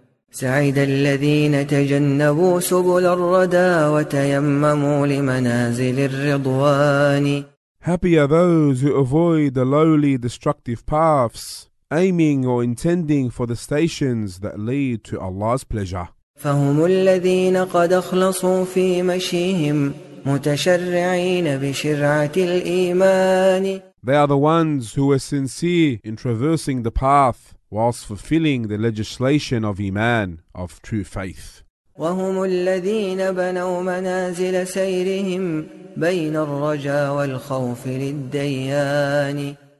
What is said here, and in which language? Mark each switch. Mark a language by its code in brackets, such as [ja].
[ar] سعيد الذين تجنبوا سبل الردى وتيمموا لمنازل الرضوان. [en] Happy are those who avoid the lowly destructive paths, aiming or intending for the stations that lead to Allah's pleasure. [ar] فهم الذين قد أخلصوا في مشيهم متشرعين بشرعة الإيمان. [en] They are the ones who were sincere in traversing the path whilst fulfilling the legislation of Iman, of true faith. [ar] وَهُمُ الَّذِينَ بَنَوْا مَنَازِلَ سَيْرِهِمْ بَيْنَ الرَّجَى وَالْخَوْفِ لِلدَّيَّانِ.